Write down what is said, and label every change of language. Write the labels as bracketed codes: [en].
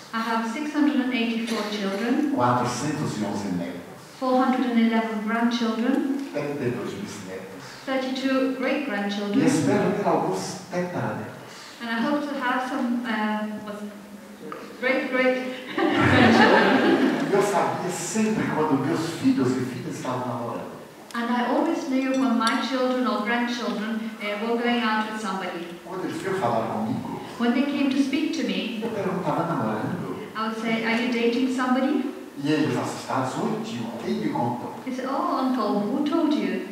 [en] I have 684 children. [pt] 411 netos. [en] 411 grandchildren. [pt] 32 bisnetos. [en] 32 great grandchildren. [pt] E espero ter alguns tetranetos. [en] And I hope to have some great great grandchildren. [pt] Eu sabia sempre quando meus filhos e filhas estavam namorando. [en] And I always knew when my children or grandchildren were going out with somebody. [pt] Quando eles vinham falar comigo. [en] When they came to speak to me. [pt] Eu perguntava namorando. [en] I would say, are you dating somebody? [pt] E eles assustados, onde? Quem me contou? [en] He said, oh, uncle, who told you?